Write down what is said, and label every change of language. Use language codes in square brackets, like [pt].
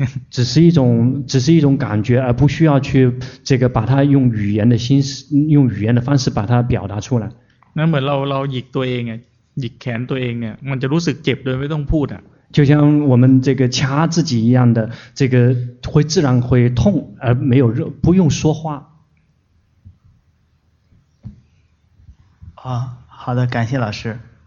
[zh] 只是一种感觉而不需要去这个把它用语言的心用语言的方式把它表达出来 [th] นั่นเหมือนเราหยิกตัวเองอ่ะหยิกแขนตัวเองอ่ะมันจะรู้สึกเจ็บโดยไม่ต้องพูดอ่ะ [zh] 就像我们这个掐自己一样的这个会自然会痛而没有不用说话好的感谢老师